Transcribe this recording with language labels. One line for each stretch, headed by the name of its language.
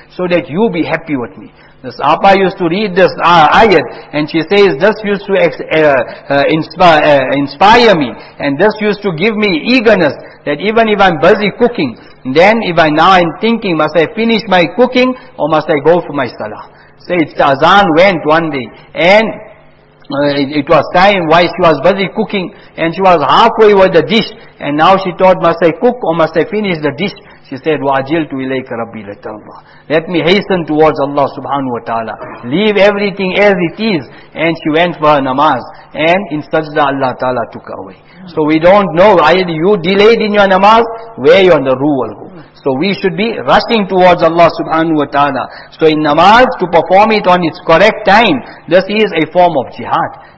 English: so that you be happy with me. This Apa used to read this ayat, and she says, this used to inspire me, and this used to give me eagerness, that even if I'm busy cooking, then if I now am thinking, must I finish my cooking, or must I go for my salah? Say, it's the azan went one day, and it was time why she was busy cooking, and she was halfway with the dish, and now she thought, must I cook or must I finish the dish?
Arabic: She said, وَعَجِلْتُ إِلَيْكَ رَبِّي لَتَرْضَى.
English: Let me hasten towards Allah subhanahu wa ta'ala. Leave everything as it is. And she went for her namaz. And in sajda, Allah ta'ala took her away. So we don't know, either you delayed in your namaz, where you on the ruh will go. So we should be rushing towards Allah subhanahu wa ta'ala. So in namaz, to perform it on its correct time, this is a form of jihad.